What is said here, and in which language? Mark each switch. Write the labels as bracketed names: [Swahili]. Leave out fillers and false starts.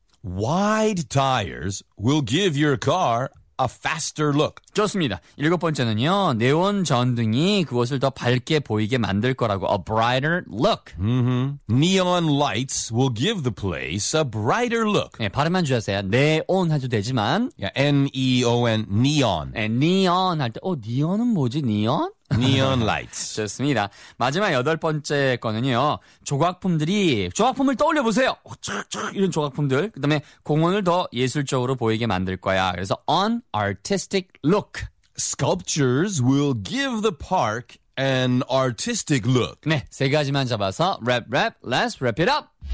[English] Wide tires will give your car a faster look. [Korean] 좋습니다. 일곱 번째는요. 네온 전등이 그것을 더 밝게 보이게 만들 거라고. [English] A brighter look. Mm-hmm. Neon lights will give the place a brighter look. [Korean] 네, 발음만 주셨어요. 네온 해도 되지만. [English] Yeah, N-E-O-N, neon. [Korean] 네, neon 할 때, 네온은 뭐지? [English] Neon? Neon lights. [Korean] 좋습니다. 마지막 여덟 번째 거는요. 조각품을 떠올려 보세요. 이런 조각품들. 그 다음에 공원을 더 예술적으로 보이게 만들 거야. 그래서 [English] an artistic look. Sculptures will give the park an artistic look. [Korean] 네. 세 가지만 잡아서 랩, [English] let's wrap it up.